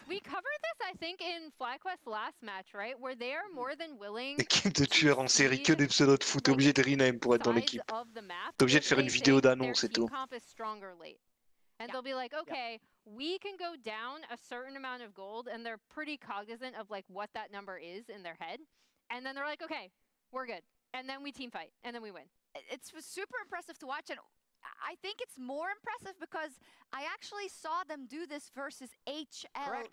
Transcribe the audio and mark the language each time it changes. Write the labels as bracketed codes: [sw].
[en] We covered this, I think, in FlyQuest last match, right? Where they are more than willing. [fr] Équipe de tueurs en série, que des pseudos de foot. T'es obligé de rename pour être dans l'équipe. T'es obligé de faire une vidéo d'annonce et tout. [en] And they'll be like, okay, we can go down a certain amount of gold, and they're pretty cognizant of like what that number is in their head. And then they're like, okay, we're good. And then we team fight, and then we win. It's super impressive to watch it. I think it's more impressive because I actually saw them do this versus HLE.